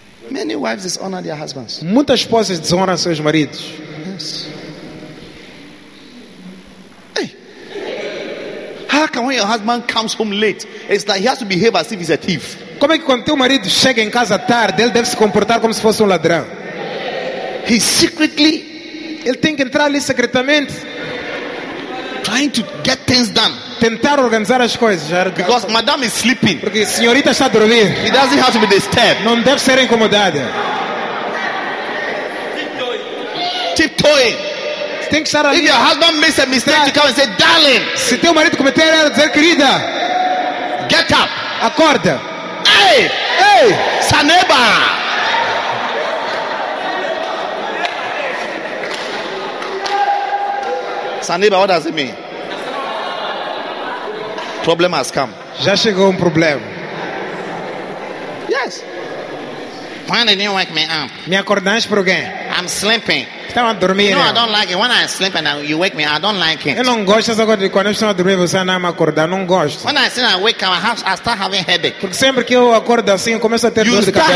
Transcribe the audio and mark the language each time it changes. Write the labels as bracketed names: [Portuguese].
[English] Many wives dishonor their husbands. [Portuguese] Muitas esposas desonram seus maridos. [English] Yes. How can when your husband comes home late, it's like he has to behave as if he's a thief? [Portuguese] Como é que quando teu marido chega em casa tarde, ele deve se comportar como se fosse ladrão? [English] He secretly, [Portuguese] ele tem que entrar ali secretamente, [English] trying to get things done. [Portuguese] Tentar organizar as coisas. [English] Because madame is sleeping. [Portuguese] Porque a senhorita está a dormir. [English] He doesn't have to be disturbed. [Portuguese] Não deve ser incomodada. [English] Tiptoeing. If your husband makes a mistake, you come and say, "Darling." [Portuguese] Se teu marido cometer erro, dizer, querida. [English] Get up. [Portuguese] Acorda. Hey. Hey. [English] Saneba. Saneba, what does it mean? Problem has come. [Portuguese] Já chegou problema. [English] Yes. [Portuguese] Quando [English] you wake me up? [Portuguese] Me acordas por quê? [English] I'm sleeping. [Portuguese] Estava a dormir. [English] You know, I don't like it when I sleep and you wake me. I don't like it. [Portuguese] Eu não gosto dessa coisa de quando estou a dormir você não me acorda. Não gosto. [English] When I sleep, I wake up. I start having headache. [Portuguese] Porque sempre que eu acordo assim eu começo a ter dor de cabeça.